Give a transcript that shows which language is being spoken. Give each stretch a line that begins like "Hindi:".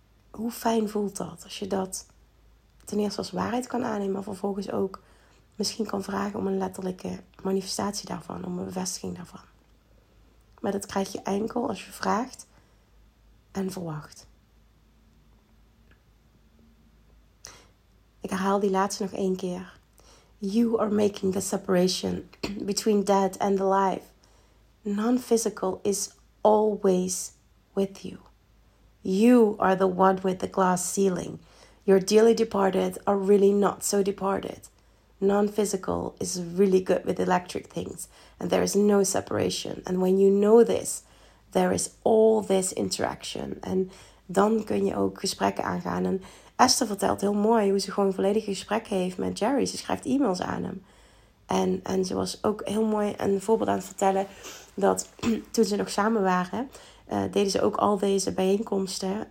Dutch: Hoe fijn voelt dat als je dat ten eerste als waarheid kan aannemen, maar vervolgens ook misschien kan vragen om een letterlijke manifestatie daarvan, om een bevestiging daarvan. Maar dat krijg je enkel als je vraagt en verwacht. Ik herhaal die laatste nog één keer.
English: You are making the separation between dead and alive. Non-physical is always with you. You are the one with the glass ceiling. Your dearly departed are really not so departed. Non-physical is really good with electric things. And there is no separation. And when you know this, there is all this interaction.
Dutch: En dan kun je ook gesprekken aangaan. En Esther vertelt heel mooi hoe ze gewoon volledige gesprekken heeft met Jerry. Ze schrijft e-mails aan hem. En ze was ook heel mooi een voorbeeld aan het vertellen dat toen ze nog samen waren, deden ze ook al deze bijeenkomsten.